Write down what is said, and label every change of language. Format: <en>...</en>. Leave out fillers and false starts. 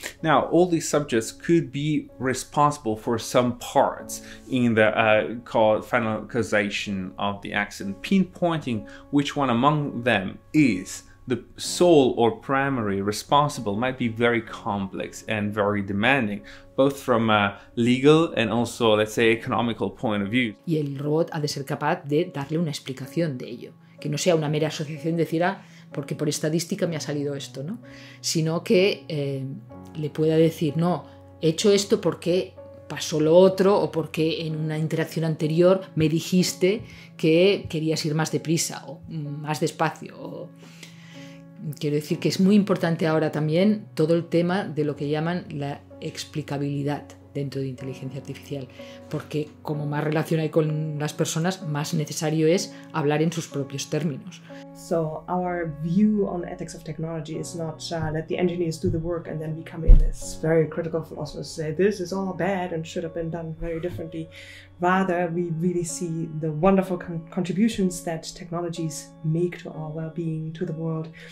<en>Now, all these subjects could be responsible for some parts in the final causation of the accident, pinpointing which one among them is the sole or primary responsible might be very complex and very demanding, both from a legal and also, let's say, economical point of view.</en> <es>Y el robot ha de ser capaz de darle una explicación de ello, que no sea una mera asociación de decir, porque por estadística me ha salido esto, ¿no? Sino que le pueda decir, no, he hecho esto porque pasó lo otro o porque en una interacción anterior me dijiste que querías ir más deprisa o más despacio. Quiero decir que es muy importante ahora también todo el tema de lo que llaman la explicabilidad dentro de inteligencia artificial, porque como más relación hay con las personas, más necesario es hablar en sus propios términos.</es> <en>So our view on the ethics of technology is not let the engineers do the work and then we come in as very critical philosophers and say this is all bad and should have been done very differently. Rather, we really see the wonderful contributions that technologies make to our well-being, to the world.</en>